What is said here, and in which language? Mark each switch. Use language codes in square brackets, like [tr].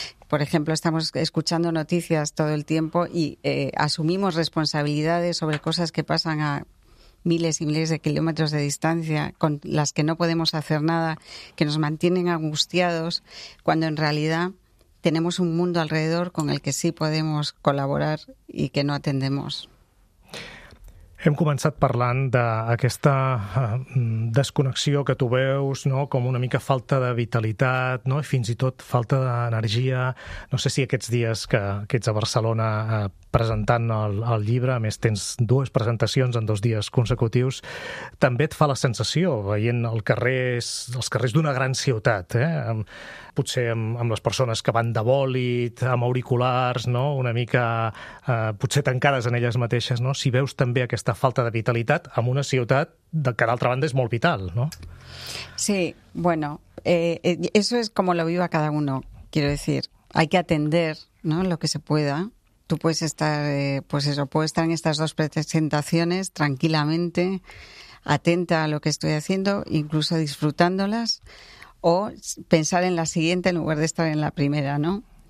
[es] Por ejemplo, estamos escuchando noticias todo el tiempo y asumimos responsabilidades sobre cosas que pasan a miles y miles de kilómetros de distancia, con las que no podemos hacer nada, que nos mantienen angustiados, cuando en realidad tenemos un mundo alrededor con el que sí podemos colaborar y que no atendemos. [ca] Hem començat parlant d'aquesta desconnexió que tu veus, no?, com una mica falta de vitalitat, no?, i fins i tot falta d'energia. No sé si aquests dies que ets a Barcelona presentant el llibre, a més tens dues presentacions en dos dies consecutius, també et fa la sensació, veient el carrer, els carrers d'una gran ciutat, potser amb les persones que van de bòlit, amb auriculars, no? Una mica potser tancades en elles mateixes, no? Si veus també aquesta falta de vitalitat en una ciutat que d'altra banda és molt vital, no? [es] Sí, bueno, eso es como lo viva cada uno, quiero decir. Hay que atender, ¿no?, lo que se pueda. Tú puedes estar, pues eso, puedo estar en estas dos presentaciones tranquilamente, atenta a lo que estoy haciendo, incluso disfrutándolas, o pensar en la siguiente en lugar de estar en la primera, ¿no?